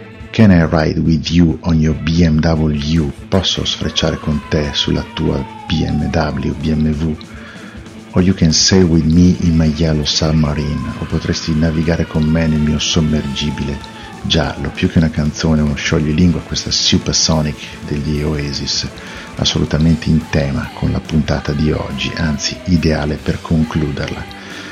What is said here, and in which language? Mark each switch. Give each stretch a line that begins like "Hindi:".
English: Can I ride with you on your BMW?
Italian: Posso sfrecciare con te sulla tua BMW, BMW?
English: Or you can sail with me in my yellow submarine?
Italian: O potresti navigare con me nel mio sommergibile giallo? Più che una canzone, uno scioglilingua, questa Supersonic degli Oasis, assolutamente in tema con la puntata di oggi, anzi ideale per concluderla.